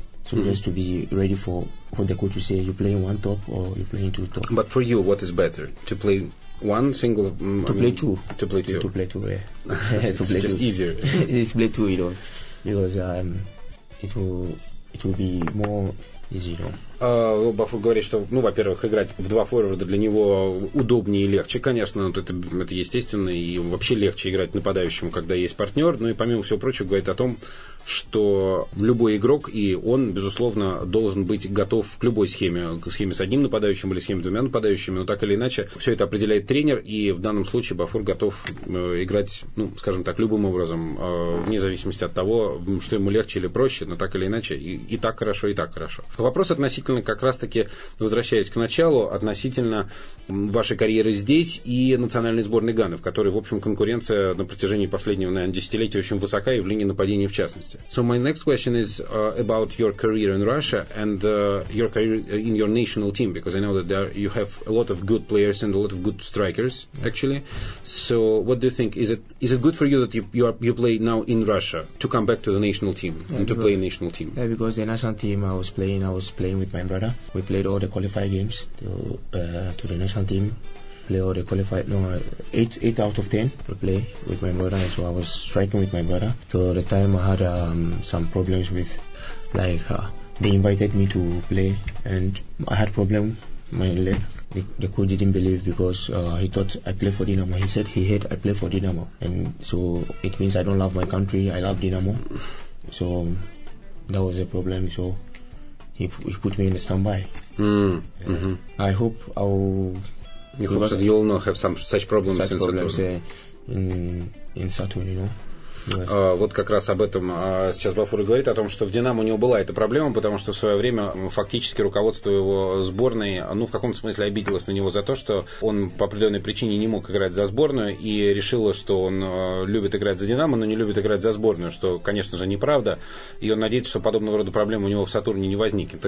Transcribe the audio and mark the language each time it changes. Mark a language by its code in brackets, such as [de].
[en] So mm-hmm. just to be ready for what the coach will say, you're playing one top or you're playing two top. But for you, what is better? To play one single? To play two. To play two. To play two, yeah. It's play just two. Easier. It's play two, you know, because it will be more easy, you know. [ru] Баффу говорит, что, ну, во-первых, играть в два форварда для него удобнее и легче, конечно, но это естественно, и вообще легче играть нападающему, когда есть партнер. Ну и помимо всего прочего, говорит о том, что любой игрок, и он, безусловно, должен быть готов к любой схеме, к схеме с одним нападающим или схеме с двумя нападающими, но так или иначе, все это определяет тренер, и в данном случае Баффур готов играть, ну, скажем так, любым образом, вне зависимости от того, что ему легче или проще, но так или иначе, и так хорошо, и так хорошо. Вопрос относительно, как раз-таки, возвращаясь к началу, относительно вашей карьеры здесь и национальной сборной Ганы, в которой, в общем, конкуренция на протяжении последнего, наверное, десятилетия очень высока, и в линии нападения в частности. [en] So my next question is about your career in Russia and your career in your national team, because I know that there you have a lot of good players and a lot of good strikers, actually. So what do you think? Is it good for you that you play now in Russia to come back to the national team play national team? Yeah, because the national team I was playing with my brother. We played all the qualified games to the national team. Play all the qualified, no, 8 out of 10 to play with my brother, so I was striking with my brother. So at the time I had some problems with, like, they invited me to play and I had problem my leg. The coach didn't believe because he thought I play for Dinamo. He said he heard I play for Dinamo, and so it means I don't love my country, I love Dinamo. So that was a problem, so he put me in a standby. Mm-hmm. I hope I'll... He hopes that you'll not have some such problems such in Saturn. In Saturn, you know. [ru] Вот как раз об этом сейчас Баффур говорит, о том, что в «Динамо» у него была эта проблема, потому что в свое время фактически руководство его сборной, ну, в каком-то смысле обиделось на него за то, что он по определенной причине не мог играть за сборную и решило, что он любит играть за «Динамо», но не любит играть за сборную, что, конечно же, неправда, и он надеется, что подобного рода проблемы у него в «Сатурне» не возникнет.